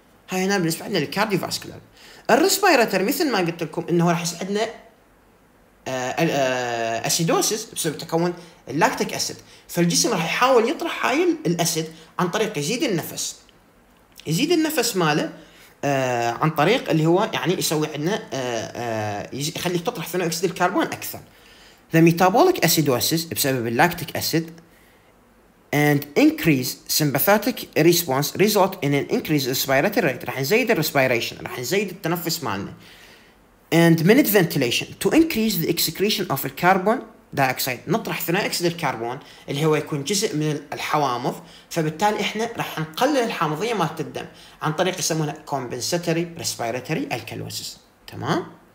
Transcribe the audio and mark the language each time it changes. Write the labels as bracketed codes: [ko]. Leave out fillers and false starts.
[ar] هاي هنا بالنسبة لنا الكارديو فاسكولار. الريسبيراتر مثل ما قلت لكم أنه راح يساعدنا الأسيدوسيس بسبب تكون اللاكتيك أسيد، فالجسم راح يحاول يطرح هاي الأسيد عن طريق يزيد النفس، يزيد النفس ماله عن طريق اللي هو يعني يسوي عندنا يخليك تطرح ثاني اكسيد الكربون اكثر. [en] The metabolic acidosis [ar] بسبب اللاكتيك اسيد [en] and increase sympathetic response result in an increase respiratory rate, [ar] راح نزيد الريسبيريشن, راح نزيد التنفس مالنا. [en] And minute ventilation to increase the excretion of carbon dioxide, [ar] نطرح ثاني اكسيد الكربون اللي هو يكون جزء من الحوامض, فبالتالي احنا راح نقلل الحامضيه مال الدم عن طريق يسمونها [en] compensatory respiratory alkalosis. [ar] تمام.